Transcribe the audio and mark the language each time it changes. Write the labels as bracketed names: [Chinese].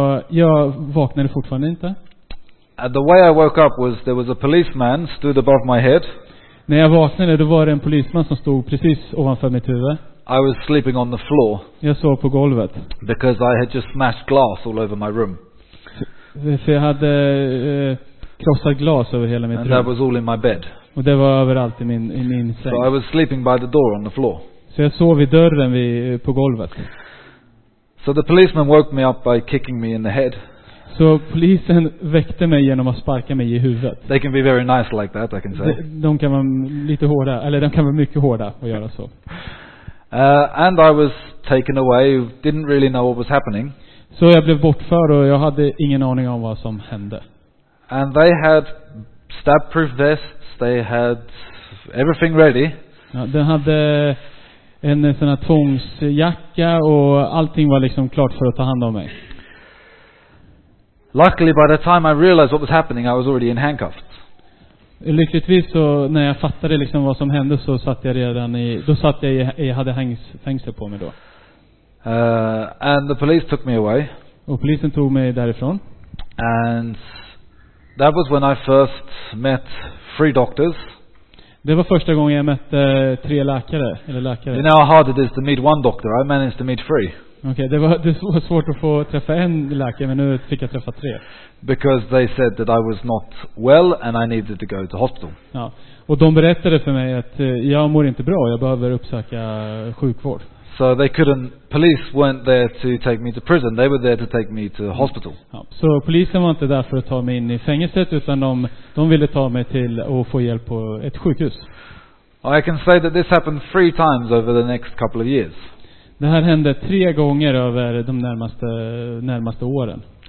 [Swedish] Jag vaknade fortfarande inte. [English] And the way I woke up was there was a policeman stood above my head. [Swedish] När jag vaknade då var det en polisman som stod precis ovanför mitt huvud. [English] I was sleeping on the floor. [Swedish] Jag sov på golvet. [English] Because I had just smashed glass all over my room. [Swedish] För jag hade krossat glas över hela mitt [English] and [Swedish] rum. [English] And that was all in my bed. [Swedish] Och det var överallt i min säng. [English] So I was sleeping by the door on the floor. [Swedish] Så jag sov i dörren på golvet. [English] So the policeman woke me up by kicking me in the head. [Swedish] Så polisen väckte mig genom att sparka mig i huvudet. [English] They can be very nice like that, I can say. [Swedish] De kan vara lite hårda, eller de kan vara mycket hårda att göra så. [English] And I was taken away, didn't really know what was happening. [Swedish] Så jag blev bortförd och jag hade ingen aning om vad som hände. [English] And they had stab-proof vests, they had everything ready. [Swedish] Ja, de hade en sån här tvångsjacka och allting var liksom klart för att ta hand om mig. [English] Luckily by the time I realized what was happening I was already in handcuffs. [Swedish] Lyckligtvis så när jag fattade liksom vad som hände så hade fängsel på mig då. [English] And the police took me away. [Swedish] Och polisen tog mig därifrån. [English] And that was when I first met three doctors. [Swedish] Det var första gången jag mötte tre läkare eller läkare. [English] You know how hard it is to meet one doctor. I managed to meet three. [Swedish] Okay, det var svårt att få träffa en läkare, men nu fick jag träffa tre. [English] Because they said that I was not well and I needed to go to hospital. [Swedish] Ja, och de berättade för mig att jag mår inte bra, jag behöver uppsöka sjukvård. [English] So they couldn't. Police weren't there to take me to prison. They were there to take me to hospital. [Swedish] Ja, så polisen var inte där för att ta mig in i fängelset, utan de ville ta mig till och få hjälp på ett sjukhus. [English] I can say that this happened three times over the next couple of years. [Swedish] Det här hände tre gånger över de närmaste åren.